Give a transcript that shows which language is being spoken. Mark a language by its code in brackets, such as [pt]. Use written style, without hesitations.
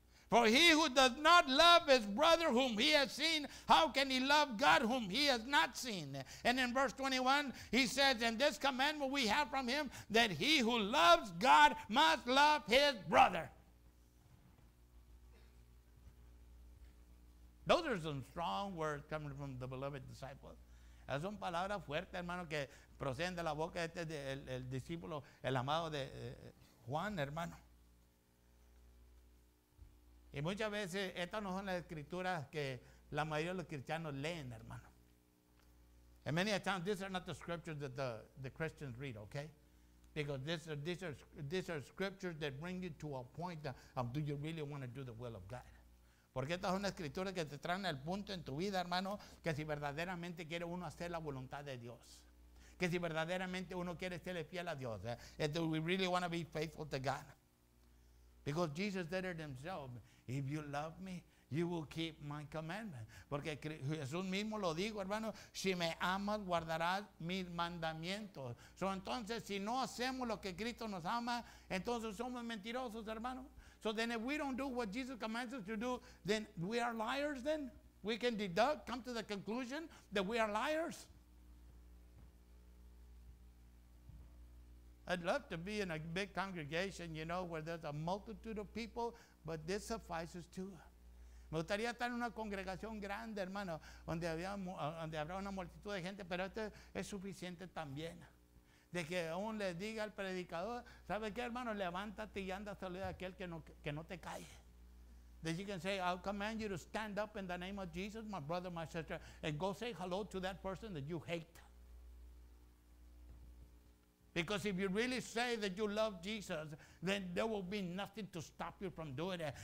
[en] For he who does not love his brother whom he has seen, how can he love God whom he has not seen? And in verse 21, he says, and this commandment we have from him, that he who loves God must love his brother. Those are some strong words coming from the beloved disciple. [es] Es una palabra fuerte, hermano, que proceden de la boca de este el discípulo, el amado de Juan, hermano. Y muchas veces estas no son las escrituras que la mayoría de los cristianos leen, hermano. [en] And many a times these are not the scriptures that the Christians read, okay? Because these are scriptures that bring you to a point of do you really want to do the will of God? [es] Porque esta es una escritura que te trae al punto en tu vida, hermano, que si verdaderamente quiere uno hacer la voluntad de Dios, que si verdaderamente uno quiere serle fiel a Dios, [en] that we really want to be faithful to God. Because Jesus did it himself. If you love me, you will keep my commandment. [es] Porque Jesús mismo lo dijo, hermano, si me amas, guardarás mis mandamientos. So, entonces, si no hacemos lo que Cristo nos ama, entonces somos mentirosos, hermano. [en] So then if we don't do what Jesus commands us to do, then we are liars then? We can deduct, come to the conclusion that we are liars? I'd love to be in a big congregation, you know, where there's a multitude of people, but this suffices too. [es] Me gustaría estar en una congregación grande, hermano, donde habrá una multitud de gente, pero esto es suficiente también. De que aún le diga al predicador, ¿sabe qué, hermano? Levántate y anda a saludar a aquel que no te calle. [en] That you can say, I'll command you to stand up in the name of Jesus, my brother, my sister, and go say hello to that person that you hate. Because if you really say that you love Jesus, then there will be nothing to stop you from doing it.